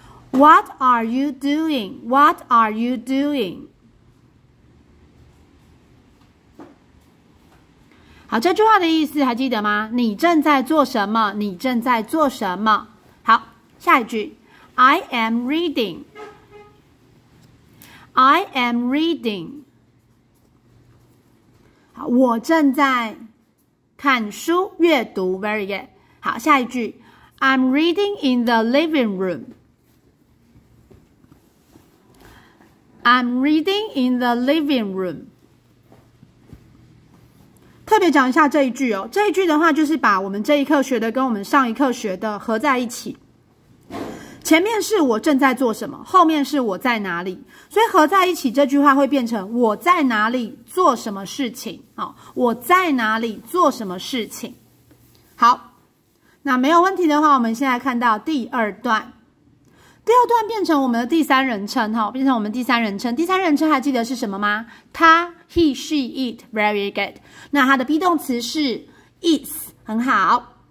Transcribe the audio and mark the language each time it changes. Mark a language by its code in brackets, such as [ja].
[en] What are you doing? What are you doing? [zh] 好，这句话的意思还记得吗？你正在做什么？你正在做什么？下一句 [en] I am reading. I am reading. [zh] 好，我正在看书阅读 [en] very good. [zh] 好，下一句 [en] I'm reading in the living room. I'm reading in the living room. [zh] 特别讲一下这一句哦，这一句的话就是把我们这一课学的跟我们上一课学的合在一起，前面是我正在做什么，后面是我在哪里，所以合在一起这句话会变成我在哪里做什么事情，好，我在哪里做什么事情。好，那没有问题的话，我们现在看到第二段，第二段变成我们的第三人称，变成我们第三人称，第三人称还记得是什么吗？他 [en] he she it very good， [zh] 那它的 be 动词是 is， 很好。